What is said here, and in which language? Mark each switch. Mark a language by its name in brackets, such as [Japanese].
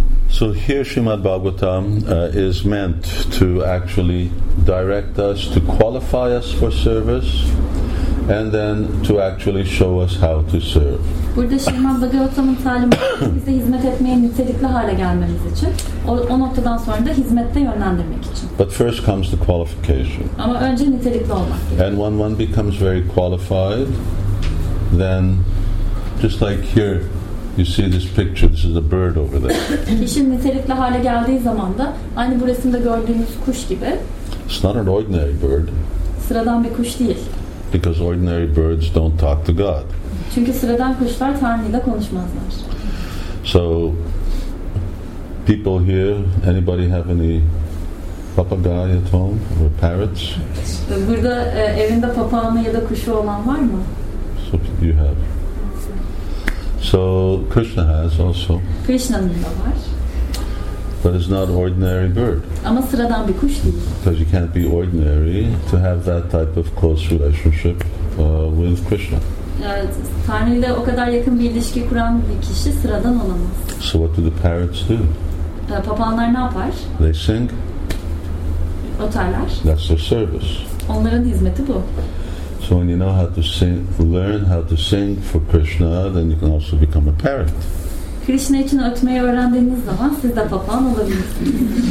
[English] So here Srimad Bhagavatam is meant to actually direct us, to qualify us for service, and then to actually show us how to serve. [Turkish] Burada Srimad Bhagavatam'ın talimatı bize hizmet etmeye nitelikli hale gelmemiz için, o noktadan sonra da hizmette yönlendirmek için. [English] But first comes the qualification. [Turkish] Ama önce nitelikli olmak. [English] And when one becomes very qualified, then just like here, you see this picture. This is a bird over there. [Turkish] İşin nitelikli hale geldiği zaman da aynı bu resimde gördüğünüz kuş gibi. [English] It's not an ordinary bird. [Turkish] Sıradan bir kuş değil. [English] Because ordinary birds don't talk to God. [Turkish] Çünkü sıradan kuşlar Tanrı ile konuşmazlar. [English] So, people here, anybody have any papagay at home or parrots? [Turkish] Burada evinde papağanı ya da kuşu olan var mı? [English] So you have. So Krishna has also. [Turkish] Krishna'nın da var. [English] But it's not ordinary bird. [Turkish] Ama sıradan bir kuş değil. [English] Because you can't be ordinary to have that type of close relationship with Krishna. [Turkish] Evet, Tanrı'yla o kadar yakın bir ilişki kuran bir kişi sıradan olamaz. [English] So what do the parrots do? [Turkish] Papağanlar ne yapar? [English] They sing. [Turkish] Otarlar. [English] That's their service. [Turkish] Onların hizmeti bu. [English] So when you know how to sing, learn how to sing for Krishna, then you can also become a parrot. [Turkish] Krishna için ötmeyi öğrendiğiniz zaman siz de papağan olabilirsiniz.